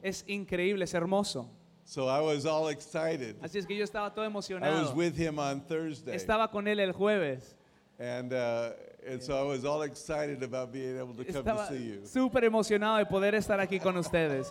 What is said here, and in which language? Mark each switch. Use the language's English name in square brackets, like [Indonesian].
[Spanish] Es increíble, es hermoso. [English] So I was all excited. [Spanish] Así es que yo estaba todo emocionado. [English] I was with him on Thursday. [Spanish] Estaba con él el jueves. [English] And so I was all excited about being able to come [Spanish] estaba [English] to see you. [Spanish] Super emocionado de poder estar aquí con ustedes.